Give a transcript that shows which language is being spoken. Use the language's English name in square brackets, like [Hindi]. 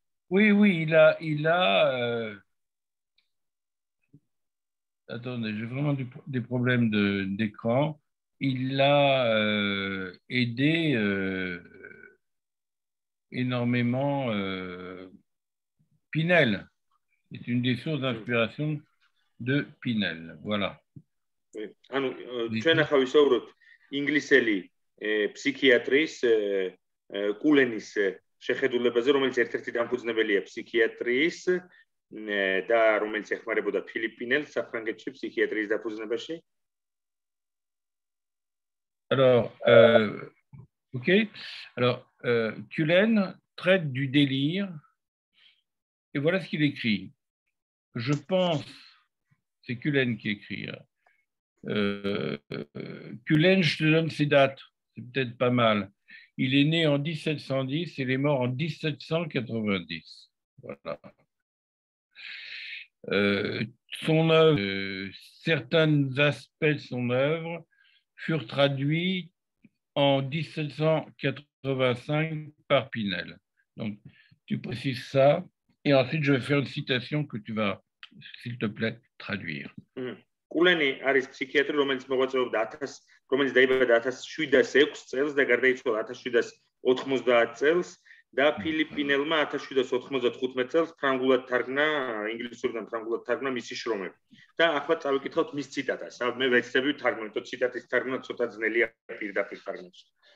[French] Oui, il a attendez, j'ai vraiment des problèmes d'écran. Il a aidé énormément Pinel. C'est une des sources d'inspiration de Pinel. Voilà. [Georgian] ანუ [French] Oui. [Georgian] ჩვენ ახლა ვისაუბროთ ინგლისელი ფსიქიატრის კულენის შეხედულებაზე, რომელიც ერთ-ერთი დამფუძნებელია ფსიქიატრიის და რომელიც ეხმარებოდა ფილიპინელ საფრანგეთში ფსიქიატრიის დაფუძნებაში. [French] Alors, OK. Alors, Cullen traite du délire. Et voilà ce qu'il écrit. Je pense, c'est Cullen qui écrit. Cullen, je te donne ses dates. C'est peut-être pas mal. Il est né en 1710 et il est mort en 1790. Voilà. Son œuvre, certains aspects de son œuvre furent traduits en 1785 par Pinel. Donc, tu précises ça. Et ensuite, je vais faire une citation que tu vas, s'il te plaît, traduire. [Georgian] კულენი არის ფსიქიატრი, რომელიც მოღვაწეობდა 1000, რომელიც დაიბადა 1706 წელს და გარდაიცვალა 1790 წელს და ფილიპინელმა 1795 წელს ფრანგულად თარგმნა, ინგლისურიდან ფრანგულად თარგმნა მისი შრომები. და ახლა წავიკითხავთ მის ციტატას. მე ვეცდები თარგმნა, თუ ციტატის თარგმნა ცოტა ძნელია პირდაპირ თარგმნას.